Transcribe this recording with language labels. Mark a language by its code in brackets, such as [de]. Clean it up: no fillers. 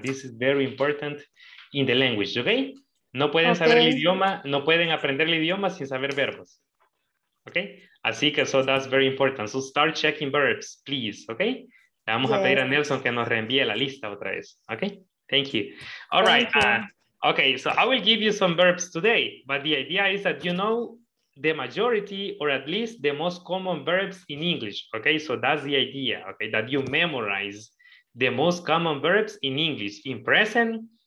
[en] This is very important in the language, ¿ok? [es] No pueden saber el idioma, no pueden aprender el idioma sin saber verbos. ¿Ok? Así que [en] so that's very important. So start checking verbs, please, ¿ok? [es] Le vamos a pedir a Nelson que nos reenvíe la lista otra vez. [en] ¿Ok? Thank you. All right. Okay, so I will give you some verbs today, but the idea is that you know the majority or at least the most common verbs in English, okay? So that's the idea, okay? That you memorize the most common verbs in English, in present,